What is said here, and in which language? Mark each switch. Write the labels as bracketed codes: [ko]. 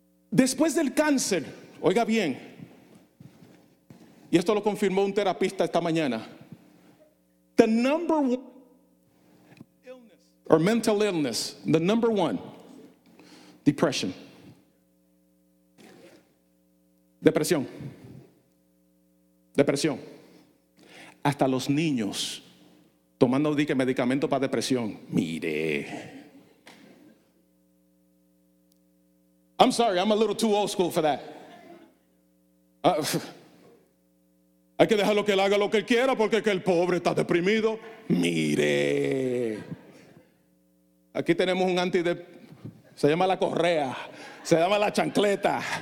[es] Después del cáncer, oiga bien, y esto lo confirmó un terapista esta mañana, [en] the number one illness, or mental illness, the number one, depression. [es] Depresión. Depresión. Hasta los niños tomando dique medicamento para depresión. Mire. [en] I'm sorry, I'm a little too old school for that. [es] Hay que dejarlo que él haga lo que él quiera porque que el pobre está deprimido. Mire. Aquí tenemos un antidepresivo. Se llama la correa. Se llama la chancleta.